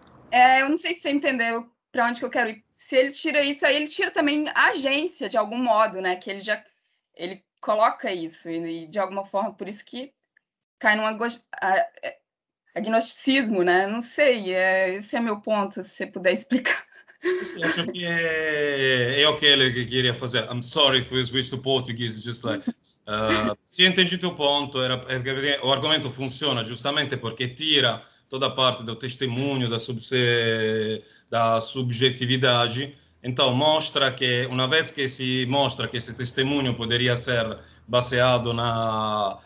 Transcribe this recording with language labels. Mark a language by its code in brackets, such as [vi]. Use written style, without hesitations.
[pt] É, eu não sei se você entendeu para onde que eu quero ir. Se ele tira isso, aí ele tira também a agência, de algum modo, né? Que ele coloca isso, e de alguma forma, por isso que cai num agnosticismo, né? Não sei, esse é meu ponto, se você puder explicar. Eu acho que é o que ele queria fazer. [en] I'm sorry if we switch to Portuguese, just like... [pt] se entendi teu ponto, o argumento funciona justamente porque tira toda a parte do testemunho, da subjetividade, então mostra que, uma vez que se mostra que esse testemunho poderia ser baseado na...